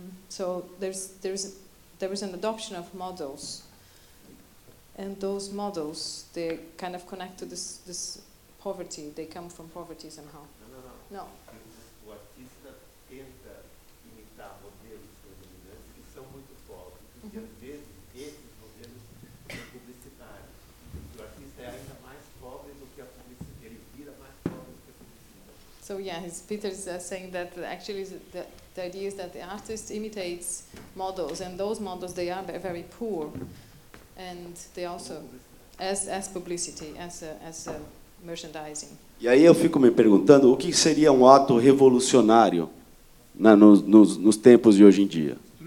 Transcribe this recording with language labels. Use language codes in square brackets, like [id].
[en] So there is an adoption of models, and those models they kind of connect to this poverty. They come from poverty somehow. No. [pt] O artista tenta imitar modelos dominantes que são muito pobres, porque às vezes esses modelos são publicitários. O artista é ainda mais pobre do que a publicidade. Ele vira mais pobre do que a publicidade. [en] So yeah, Peter's saying that actually the idea is that the artist imitates models, and those models they are very poor, and they also as publicity as a merchandising. [pt] E aí eu fico me perguntando o que seria um ato revolucionário nos tempos de hoje em dia.